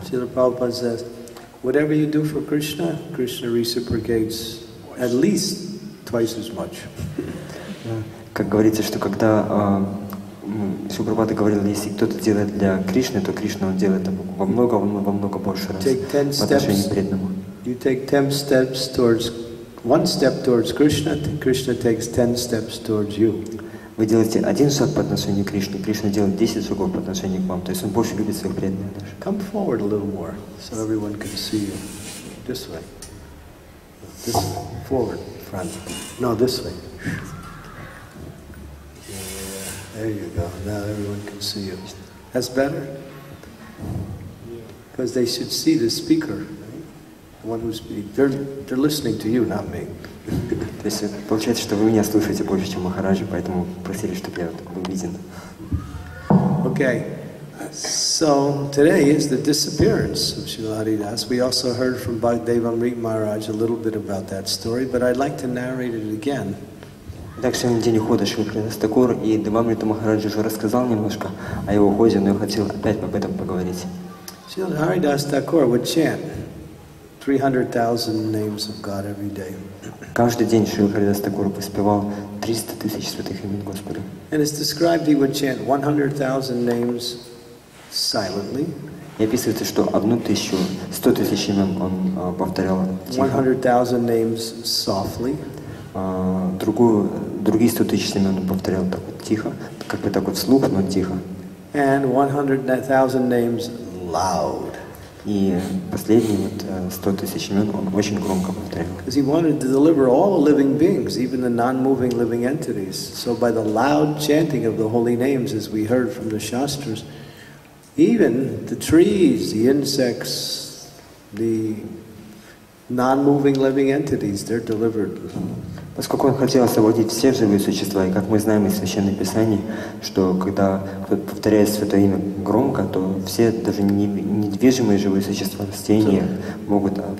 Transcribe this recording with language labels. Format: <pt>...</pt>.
<en>Srila Prabhupada says, whatever you do for Krishna, Krishna reciprocates at least twice as much.</en> <ru>Как говорится, что когда Srila Prabhupada говорил, если кто-то делает для Кришны, то Кришна он делает во много больше раз по отношению к преданному.</ru> <en>You take 10 steps towards one step towards Krishna, Krishna takes 10 steps towards you.</en> <ru>Вы делаете один шаг по отношению к Кришне, Кришна делает 10 шагов по отношению к вам. То есть он больше любит своих преданных даже.</ru> <en>Come forward a little more, so everyone can see you. This way. This way. Forward, front. No, this way. Yeah. There you go. Now everyone can see you. That's better? Because they should see the speaker. The one who's speaking. They're listening to you, not me.</en> <ru>То есть получается, что вы меня слышите больше, чем Махараджи, поэтому просили, чтобы я был виден.</ru> <en>Okay, so today is the disappearance of Srila Haridas. We also heard from Bhagdevamrita Maharaj a little bit about that story, but I'd like to narrate it again.</en> <ru>Так, сегодня день ухода Шри Харидас Тхакур, и Бхагдевамрита Махараджи уже рассказал немножко о его уходе, но я хотел опять об этом поговорить.</ru> <en>Srila Haridas Тхакур would chant 300,000 names of God every day.</en> <ru>Каждый день Шрила Харидас Тхакур воспевал 300 тысяч святых имен Господа.</ru> <en>And it's described he would chant 100,000 names silently.</en> <ru>И описывается, что 100 тысяч имен он повторял тихо.</ru> <en>100,000 names softly.</en> <ru>Другие 100 тысяч имен он повторял так вот тихо, как бы так вот вслух, но тихо.</ru> <en>And 100,000 names loud.</en> <ru>И последние 100 тысяч имен он очень громко повторял.</ru> <en>Because he wanted to deliver all living beings, even the non-moving living entities. So by the loud chanting of the holy names, as we heard from the Shastras, even the trees, the insects, the non-moving living entities, they're delivered.</en> <ru>Поскольку он хотел освободить все живые существа, и как мы знаем из Священного Писания, что когда кто-то повторяет Святое Имя громко, то все даже недвижимые живые существа, растения, могут</ru>